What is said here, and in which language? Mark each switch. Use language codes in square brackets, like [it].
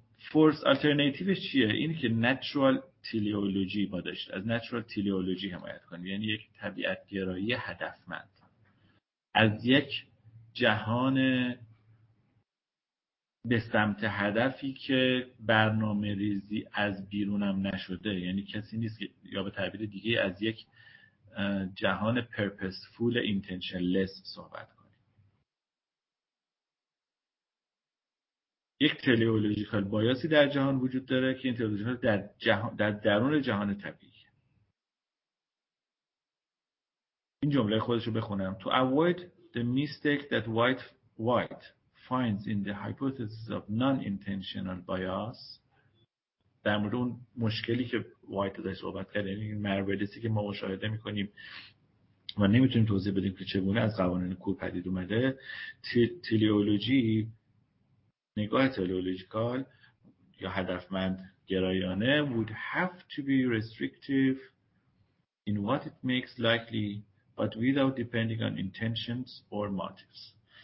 [fa] فورس آلترناتیوش چیه؟ این که نچرال تلئولوژی ما داشت، از نچرال تلئولوژی حمایت کنیم، یعنی یک طبیعت گرایی هدفمند، از یک جهان به سمت هدفی که برنامه ریزی از بیرونم نشده، یعنی کسی نیست که، یا به تعبیر دیگه از یک جهان پرپسفول اینتنشنلس صحبت کنیم. یک تلئولوژیکال بایاسی در جهان وجود داره که این تلئولوژی در درون جهان طبیعی. این جمله خودشو بخونم: [en] To avoid the mistake that white finds in the hypothesis of non-intentional bias. [fa] در مورد اون مشکلی که وایت داشت صحبت کرده، یعنی مربلیسی که ما مشاهده میکنیم و نمیتونیم توضیح بدیم که چگونه از قوانین کور پدید اومده، تلئولوژی، نگاه تلئولوژیکال یا هدفمند گرایانه، [en] would have to be restrictive in what it makes likely but without depending on intentions or motives.